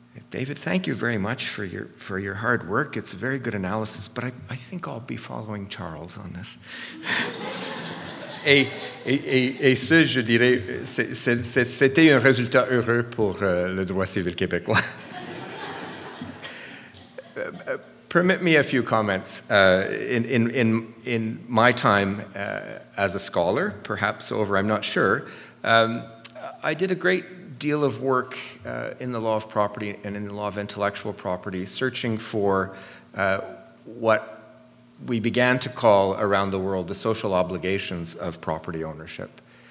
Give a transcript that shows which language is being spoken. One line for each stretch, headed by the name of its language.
English: David, thank you very much for your hard work. It's a very good analysis, but I think I'll be following Charles on this.
French: et ça, je dirais, c'était un résultat heureux pour le droit civil québécois.
English: Permit me a few comments. In my time as a scholar, perhaps over, I'm not sure, I did a great deal of work in the law of property and in the law of intellectual property, searching for what we began to call around the world the social obligations of property ownership.